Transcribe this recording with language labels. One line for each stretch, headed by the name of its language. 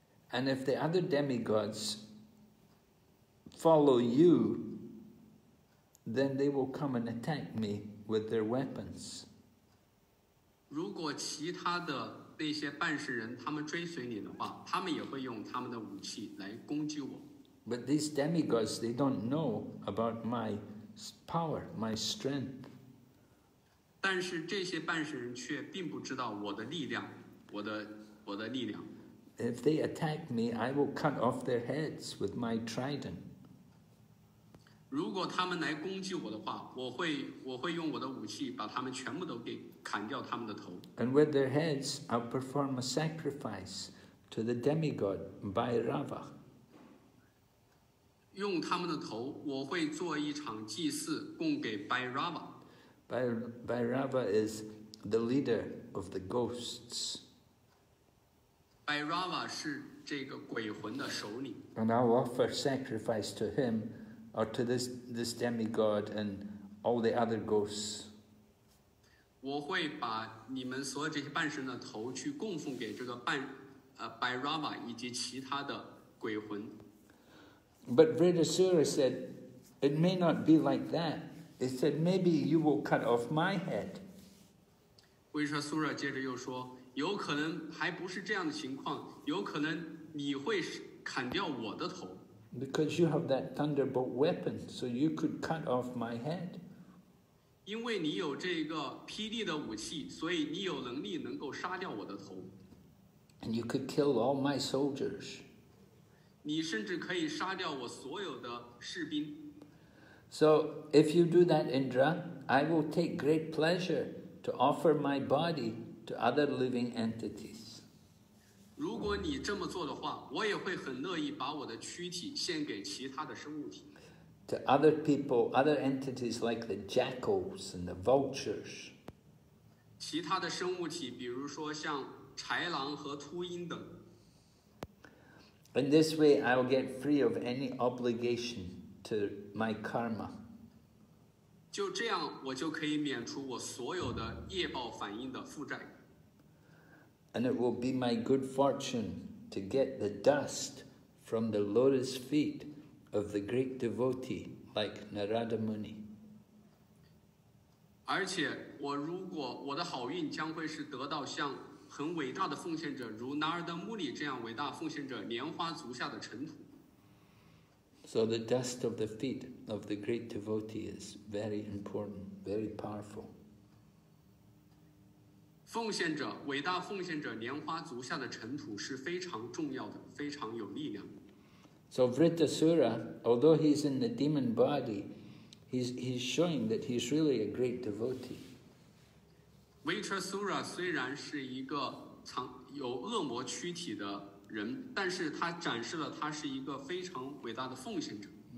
English: And if the other demigods follow you, then they will come and attack me with their weapons.
Chinese: 如果其他的那些办事人他们追随你的话，他们也会用他们的武器来攻击我。
English: But these demigods, they don't know about my power, my strength.
Chinese: 但是这些办事人却并不知道我的力量，我的力量。
English: If they attack me, I will cut off their heads with my trident.
Chinese: 如果他们来攻击我的话，我会用我的武器把他们全部都给砍掉他们的头。
English: And with their heads, I'll perform a sacrifice to the demigod Bhairava.
Chinese: 用他们的头，我会做一场祭祀，供给 Bhairava。
English: Bhairava is the leader of the ghosts.
Chinese: Bhairava 是这个鬼魂的首领。
English: And I'll offer sacrifice to him, or to this demigod and all the other ghosts.
Chinese: 我会把你们所有这些半神的头去供奉给这个Bhairava 以及其他的鬼魂。
English: But Vritasura said, it may not be like that. He said, maybe you will cut off my head.
Chinese: Vritasura 接着又说，有可能还不是这样的情况，有可能你会砍掉我的头。
English: Because you have that thunderbolt weapon, so you could cut off my head.
Chinese: 因为你有这个霹雳的武器，所以你有能力能够杀掉我的头。
English: And you could kill all my soldiers.
Chinese: 你甚至可以杀掉我所有的士兵。
English: So if you do that, Indra, I will take great pleasure to offer my body to other living entities.
Chinese: 如果你这么做的话，我也会很乐意把我的躯体献给其他的生物体。
English: To other people, other entities like the jackals and the vultures.
Chinese: 其他的生物体，比如说像豺狼和秃鹰等。
English: In this way, I will get free of any obligation to my karma.
Chinese: 就这样，我就可以免除我所有的业报反应的负债。
English: And it will be my good fortune to get the dust from the lotus feet of the great devotee like Narada Muni.
Chinese: 而且，我的好运将会是得到像。很伟大的奉献者，如南尔德穆里这样伟大奉献者莲花足下的尘土。
English: So the dust of the feet of the great devotee is very important, very powerful.
Chinese: 奉献者，伟大奉献者莲花足下的尘土是非常重要的，非常有力量。
English: So Vritasura, although he's in the demon body, he's showing that he's really a great devotee.
Chinese: Vritasura 虽然是一个有恶魔躯体的人，但是他展示了他是一个非常伟大的奉献者。